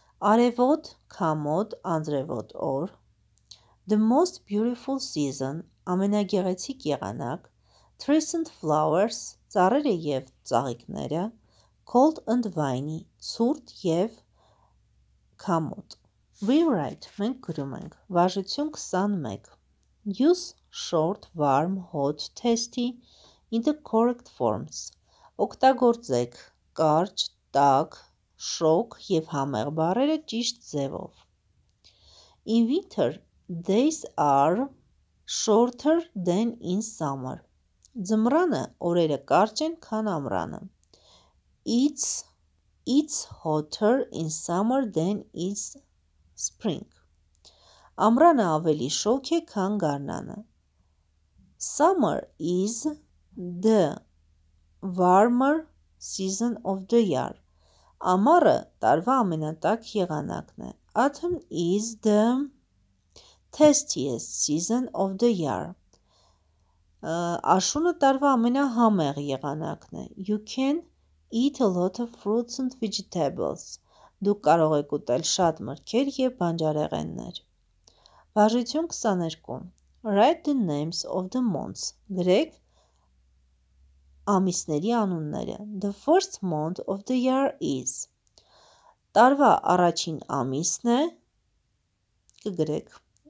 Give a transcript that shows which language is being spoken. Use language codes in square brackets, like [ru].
[hy] Արևոտ, քամոտ, անձրևոտ օր. [en] The most beautiful season, [hy] ամենագեղեցիկ եղանակ. [en] Trees and flowers, [hy] ծառերը և ծաղիկները. [en] Cold and windy, [hy] ցուրտ և քամոտ. [en] We write, [hy] մենք գրում ենք. Վարժություն 21. [en] Use short, warm, hot, tasty in the correct forms. [hy] Օգտագործեք կարճ, տաք, շոգ և համեղ բառերը ճիշտ ձևով. [en] In winter, days are shorter than in summer. [hy] Ձմռանը օրերը կարճ են, քան ամռանը. [en] It's hotter in summer than in spring. [hy] Ամռանը ավելի շոգ է, քան գարնանը. [en] Summer is the warmer season of the year. [hy] Ամառը տարվա ամենատաք եղանակն է. [en] Autumn is the tastiest season of the year. [hy] Աշունը տարվա ամենահամեղ եղանակն է. [en] You can eat a lot of fruits and vegetables. [hy] Դուք կարող եք ուտել շատ մրգեր և բանջարեղեններ։ Վարժություն 22. [en] Write the names of the months. [hy] Գրեք ամիսների անունները. [en] The first month of the year is. [hy] Տարվա առաջին ամիսն է. Կգրեք.